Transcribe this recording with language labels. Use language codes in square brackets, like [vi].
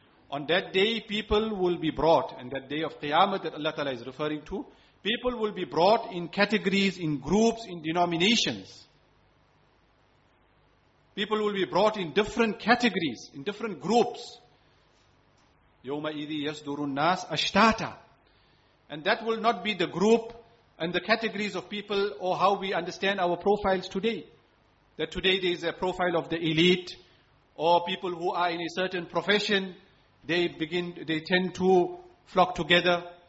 [en] On that day, people will be brought, and that day of Qiyamah that Allah Ta'ala is referring to, people will be brought in categories, in groups, in denominations. People will be brought in different categories, in different groups. [ar] يَوْمَ إِذِي يَصْدُرُ النَّاسِ أَشْتَاتًا. [en] And that will not be the group and the categories of people, or how we understand our profiles today. That today there is a profile of the elite, or people who are in a certain profession, they tend to flock together.